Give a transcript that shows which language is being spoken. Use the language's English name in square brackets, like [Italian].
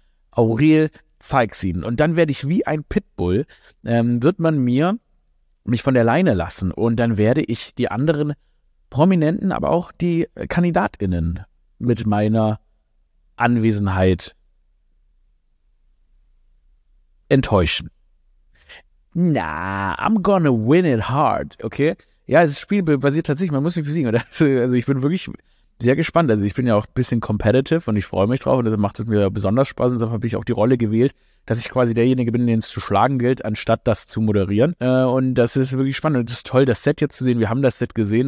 [German] Aurel, zeig's ihnen. Und dann werde ich wie ein Pitbull, wird man mich von der Leine lassen. Und dann werde ich die anderen Prominenten, aber auch die KandidatInnen mit meiner Anwesenheit enttäuschen. [English] Nah, I'm gonna win it hard, okay? [German] Ja, das Spiel basiert tatsächlich, man muss mich besiegen. Also ich bin wirklich sehr gespannt. Also ich bin ja auch ein bisschen competitive und ich freue mich drauf. Und das macht es mir besonders Spaß. Und deshalb habe ich auch die Rolle gewählt, dass ich quasi derjenige bin, den es zu schlagen gilt, anstatt das zu moderieren. Und das ist wirklich spannend. Und es ist toll, das Set jetzt zu sehen. Wir haben das Set gesehen.